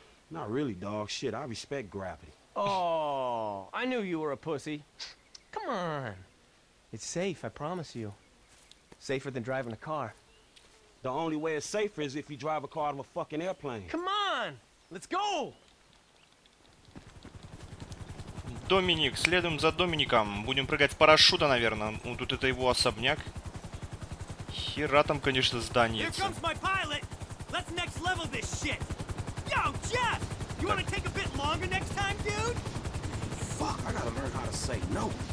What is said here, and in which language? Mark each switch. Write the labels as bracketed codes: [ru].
[en] Not really, dog. Shit, I respect gravity. Oh, I knew you were a pussy. Come on. It's safe, I promise you. Safer than driving a car. The only way it's safer is if you drive a car out of a fucking airplane. Come on! Let's go! [ru] Доминик, следуем за Домиником. Будем прыгать с парашюта, наверное. Вот тут это его особняк. Хера там, конечно, здание. [en] Here comes my pilot! Let's next level this shit! Yo, Jeff! You wanna take a bit longer next time, dude? Fuck, I gotta learn how to say no.